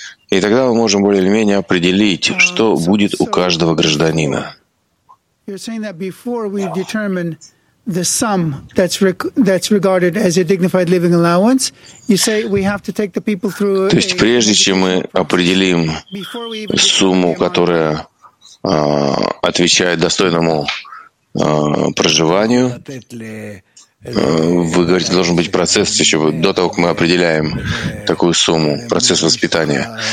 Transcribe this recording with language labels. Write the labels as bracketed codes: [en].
[ru] И тогда мы можем более или менее определить, что будет у каждого гражданина. [en] You're saying that before we determine the sum that's regarded as a dignified living allowance, you say we have to take the people through. [ru] То есть прежде чем мы определим сумму, которая отвечает достойному проживанию, вы говорите, должен быть процесс еще до того, как мы определяем такую сумму, процесс воспитания.